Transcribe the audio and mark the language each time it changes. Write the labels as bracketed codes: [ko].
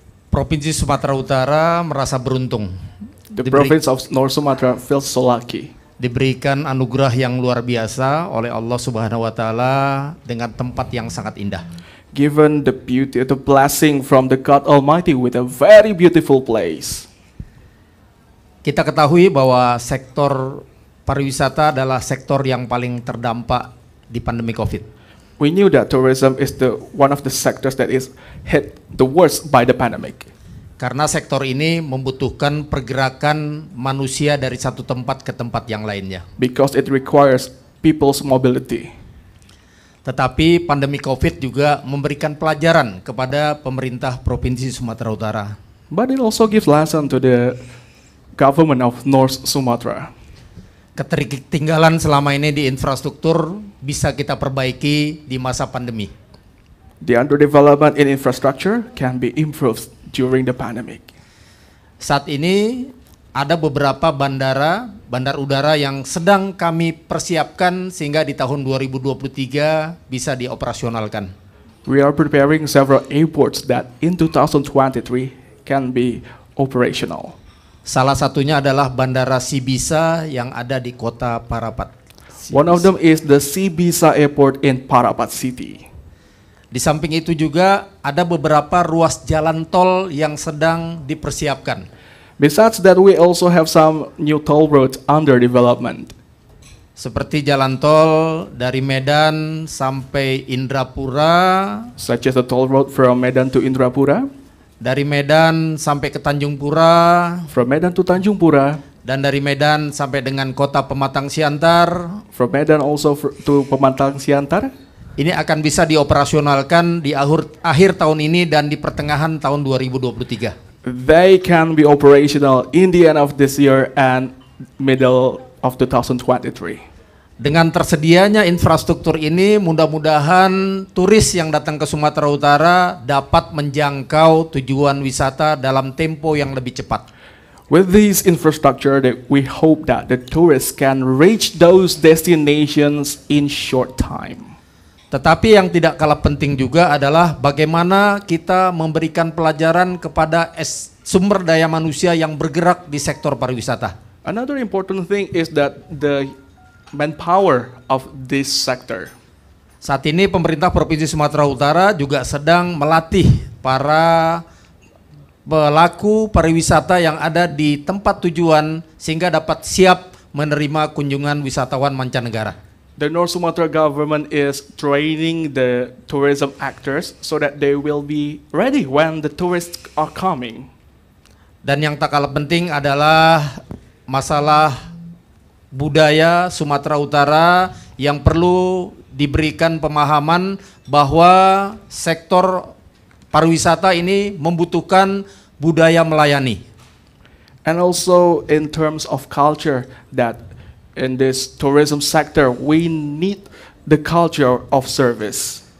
[id] Provinsi Sumatera Utara merasa beruntung. [en] The province of North Sumatra feels so lucky. [id] Diberikan anugerah yang luar biasa oleh Allah Subhanahu wa Ta'ala dengan tempat yang sangat indah. [en] Given the beauty, the blessing from the God Almighty with a very beautiful place. [id] Kita ketahui bahwa sektor pariwisata adalah sektor yang paling terdampak di pandemi COVID. [en] We knew that tourism is the one of the sectors that is hit the worst by the pandemic. [id] Karena sektor ini membutuhkan pergerakan manusia dari satu tempat ke tempat yang lainnya. [en] Because it requires people's mobility. [id] Tetapi pandemi COVID juga memberikan pelajaran kepada pemerintah Provinsi Sumatera Utara. [en] But it also gives lesson to the government of North Sumatra. [id] Ketertinggalan selama ini di infrastruktur bisa kita perbaiki di masa pandemi. [en] The underdevelopment in infrastructure can be improved during the pandemic. [id] Saat ini ada beberapa bandar udara yang sedang kami persiapkan sehingga di tahun 2023 bisa dioperasionalkan. [en] We are preparing several airports that in 2023 can be operational. [id] Salah satunya adalah Bandara Sibisa yang ada di kota Parapat. [en] One of them is the Sibisa Airport in Parapat City. [id] Di samping itu juga ada beberapa ruas jalan tol yang sedang dipersiapkan. [en] Besides that, we also have some new toll roads under development. [id] Seperti jalan tol dari Medan sampai Indrapura. [en] Such as the toll road from Medan to Indrapura. [id] Dari Medan sampai ke Tanjung Pura. [en] From Medan to Tanjung Pura. [id] Dan dari Medan sampai dengan kota Pematang Siantar. [en] From Medan also to Pematang Siantar. [id] Ini akan bisa dioperasionalkan di akhir tahun ini dan di pertengahan tahun 2023. [en] They can be operational in the end of this year and middle of 2023. [id] Dengan tersedianya infrastruktur ini, mudah-mudahan turis yang datang ke Sumatera Utara dapat menjangkau tujuan wisata dalam tempo yang lebih cepat. [en] With this infrastructure, we hope that the tourists can reach those destinations in short time. [id] Tetapi yang tidak kalah penting juga adalah bagaimana kita memberikan pelajaran kepada sumber daya manusia yang bergerak di sektor pariwisata. [en] Another important thing is that the manpower of this sector. [id] Saat ini pemerintah Provinsi Sumatera Utara juga sedang melatih para pelaku pariwisata yang ada di tempat tujuan sehingga dapat siap menerima kunjungan wisatawan mancanegara. [en] The North Sumatra government is training the tourism actors so that they will be ready when the tourists are coming. [id] Dan yang tak kalah penting adalah masalah budaya Sumatera Utara yang perlu diberikan pemahaman bahwa sektor pariwisata ini membutuhkan budaya melayani. [en] And also in terms of culture, that in this tourism sector we need the culture of service.